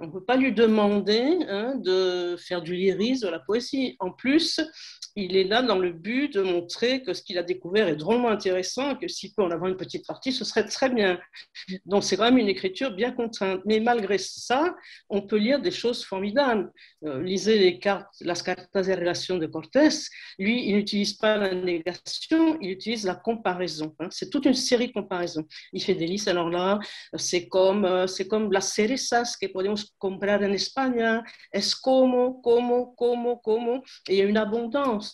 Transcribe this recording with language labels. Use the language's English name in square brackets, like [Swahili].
[French] On ne peut pas lui demander de faire du lyrisme, de la poésie. En plus, il est là dans le but de montrer que ce qu'il a découvert est drôlement intéressant et que s'il peut en avoir une petite partie, ce serait très bien. Donc, c'est quand même une écriture bien contrainte. Mais malgré ça, on peut lire des choses formidables. Lisez les cartes, Las Cartas de Relación de Cortés. Lui, il n'utilise pas la négation, il utilise la comparaison. C'est toute une série de comparaisons. Il fait des listes. Alors là, c'est comme [Spanish] las cerezas que podemos comprar en España. Es como, como, como, como. [French] Et il y a une abondance.